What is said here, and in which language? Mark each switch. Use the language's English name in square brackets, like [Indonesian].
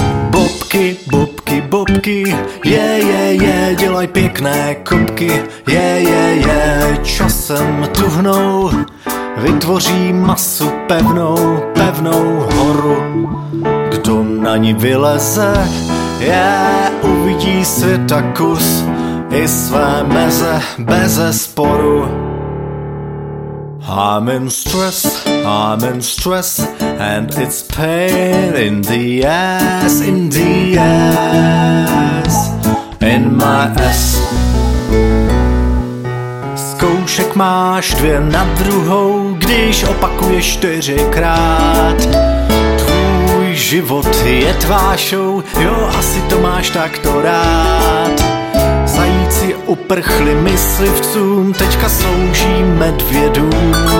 [Czech] Bobky, bobky, bobky, je, je, je, dělaj pěkné kopky, je, je, je, časem tuhnou, vytvoří masu pevnou, pevnou horu. Kdo na ní vyleze, je, uvidí světa kus i své meze beze sporu. [English] I'm in stress, and it's pain in the ass, in my ass. [Czech] Zkoušek máš dvě na druhou, když opakuješ čtyřikrát. Tvůj život je tvá show, jo, asi to máš takto rád. Zajíci uprchli myslivcům, teďka slouží medvědům.